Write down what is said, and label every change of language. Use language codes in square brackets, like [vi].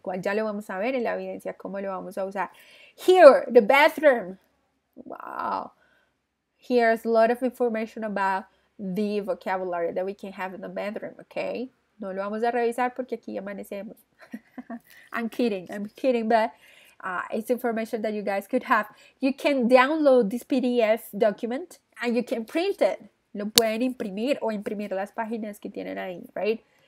[es] Igual ya lo vamos a ver en la evidencia, cómo lo vamos a usar. [en] Here, the bathroom. Wow. Here's a lot of information about the vocabulary that we can have in the bathroom, okay? [es] No lo vamos a revisar porque aquí amanecemos. [en] I'm kidding, but it's information that you guys could have. You can download this PDF document and you can print it. [es] Lo pueden imprimir o imprimir las páginas que tienen ahí, right?